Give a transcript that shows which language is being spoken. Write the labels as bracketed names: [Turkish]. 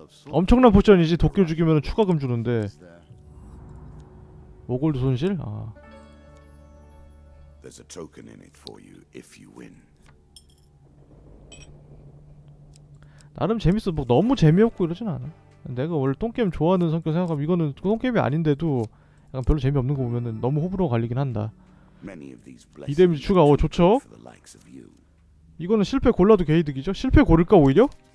[Korean] 엄청난 포션이지. 도끼를 죽이면 추가금 주는데. 오골드 손실? 아. [English] There's a token in it for you if you win. [Korean] 나름 재밌어. 뭐 너무 재미없고 이러진 않아. 내가 원래 똥게임 좋아하는 성격 생각하면 이거는 똥게임이 아닌데도 약간 별로 재미없는 거 보면은 너무 호불호가 갈리긴 한다. 이 데미지 추가. 어 좋죠? 이거는 실패 골라도 개이득이죠? 실패 고를까 오히려?